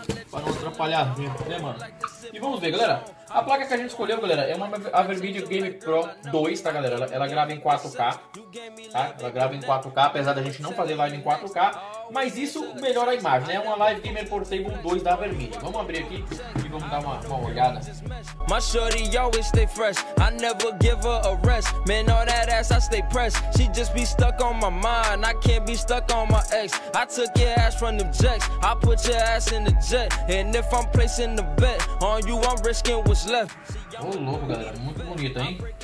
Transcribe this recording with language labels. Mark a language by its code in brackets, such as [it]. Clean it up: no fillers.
[pt] Para não atrapalhar, né, mano? E vamos ver, galera. A placa que a gente escolheu, galera, é uma Avervideo Game Pro 2, tá, galera? Ela grava em 4K, tá? Ela grava em 4K, apesar da gente não fazer live em 4K. Mas isso melhora a imagem, né? É uma Live Gamer Portable 2 da Avervideo. Vamos abrir aqui e vamos dar uma olhada. [en] My shorty always stay fresh, I never give her a rest. Man, all that ass, I stay pressed. She just be stuck on my mind, I can't be stuck on my ex. I took your ass from them jacks, I put your ass in the jet. And if I'm placing the bet on you, I'm risking what's left. [pt] Ô, louco, galera, muito bonito, hein?